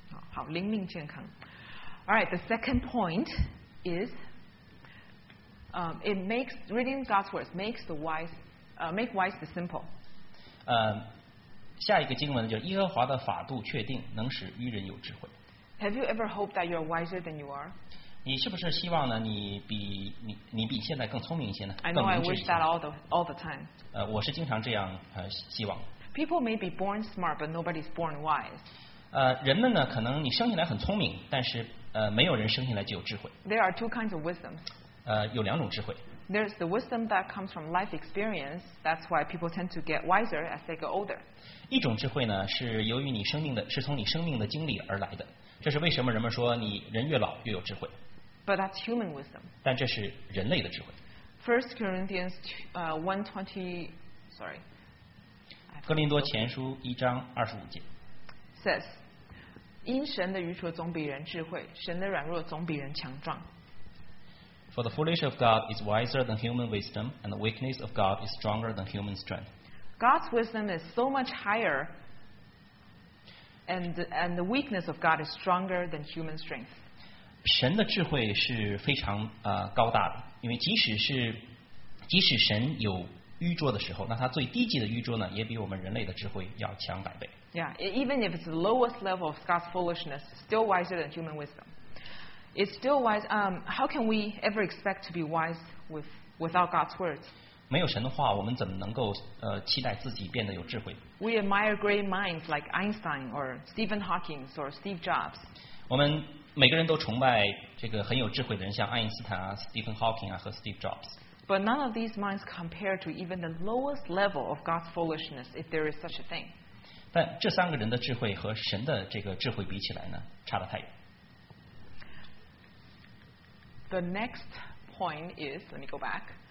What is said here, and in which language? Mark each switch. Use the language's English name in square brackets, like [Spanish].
[Chinese] 好，灵命健康。 [English] All right, the second point is, it makes reading God's words makes the wise, make wise the simple. [Chinese] 下一个经文就是耶和华的法度确定，能使愚人有智慧。 [English] Have you ever hoped that you are wiser than you are? [Chinese] 你是不是希望呢？你比现在更聪明一些呢？ [English] I know I wish that all the time. [Chinese] 我是经常这样希望。 [English] People may be born smart, but nobody's born wise. [Chinese] 人们呢，可能你生下来很聪明，但是没有人生下来就有智慧。 [English] There are two kinds of wisdom. [Chinese] 有两种智慧。 [English] There's the wisdom that comes from life experience. That's why people tend to get wiser as they get older. [Chinese] 一种智慧呢，是由于你生命的，是从你生命的经历而来的。这是为什么人们说你人越老越有智慧。 [English] But that's human wisdom. [Chinese] 但这是人类的智慧。 [English] First Corinthians 120, sorry. [Chinese] 哥林多前书一章二十五节。 [English] Says, [Chinese] 因神的愚拙总比人智慧，神的软弱总比人强壮。 [English] For the foolish of God is wiser than human wisdom, and the weakness of God is stronger than human strength. God's wisdom is so much higher. And the weakness of God is stronger than human strength. [Chinese] 神的智慧是非常高大的，因为即使神有愚拙的时候，那他最低级的愚拙呢，也比我们人类的智慧要强百倍。 [English] Yeah, even if it's the lowest level of God's foolishness, still wiser than human wisdom. It's still wise. How can we ever expect to be wise without God's words? [Chinese] 没有神的话，我们怎么能够期待自己变得有智慧？ [English] We admire great minds like Einstein or Stephen Hawking or Steve Jobs. [Chinese] 我们每个人都崇拜这个很有智慧的人，像爱因斯坦啊、Stephen Hawking 啊和 Steve Jobs. [English] But none of these minds compare to even the lowest level of God's foolishness, if there is such a thing. [Chinese] 但这三个人的智慧和神的这个智慧比起来呢，差得太远。 [English] The next point is, let me go back.